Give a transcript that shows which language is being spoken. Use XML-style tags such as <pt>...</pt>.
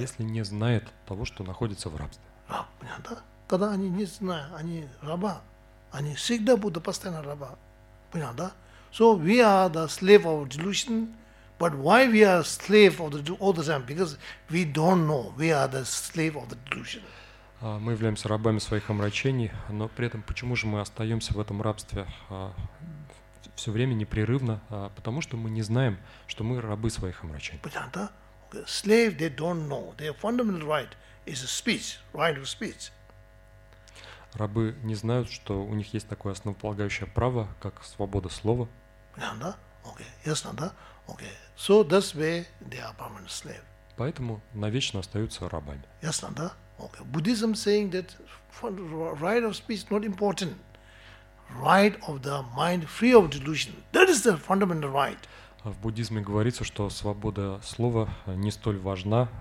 <ru>Если не знают того, что находится в рабстве. А, понятно? Тогда они не знают, они раба. Они всегда будут постоянно раба. Понятно, да?</ru> <en>So we are the slave of delusion, but why we are slave of the all the time? Because we don't know we are the slave of the delusion.</en> <ru>Мы являемся рабами своих омрачений, но при этом почему же мы остаемся в этом рабстве все время непрерывно? Потому что мы не знаем, что мы рабы своих омрачений. Понятно?</ru> <en>Slave they don't know. Their fundamental right is speech, right of speech.</en> <ru>Рабы не знают, что у них есть такое основополагающее право, как свобода слова. Понятно? Окей, ясно, да? Окей.</ru> <en>So that's why they are permanent slave.</en> <ru>Поэтому навечно остаются рабами. Ясно, да?</ru> <en>Okay. Buddhism saying that right of speech not important. Right of the mind free of delusion. That is the fundamental right.</en> <ru>В буддизме говорится, что свобода слова не столь важна.</ru>